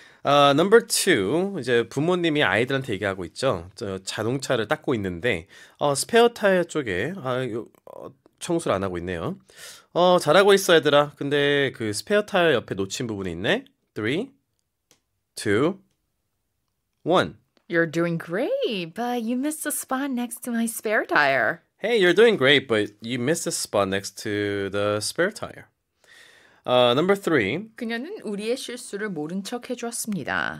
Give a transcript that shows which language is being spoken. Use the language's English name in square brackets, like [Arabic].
[English] 아, number 2. [Korean] 이제 부모님이 아이들한테 얘기하고 있죠. 저 자동차를 닦고 있는데 스페어 타이어 쪽에 청소를 안 하고 있네요. 잘하고 있어, 얘들아. 근데 그 스페어 타이어 옆에 놓친 부분이 있네. 3, 2, 1. [English] You're doing great, but you missed a spot next to my spare tire. Hey, you're doing great, but you missed a spot next to the spare tire. Number 3. [Korean] 그녀는 우리의 실수를 모른 척 해주었습니다.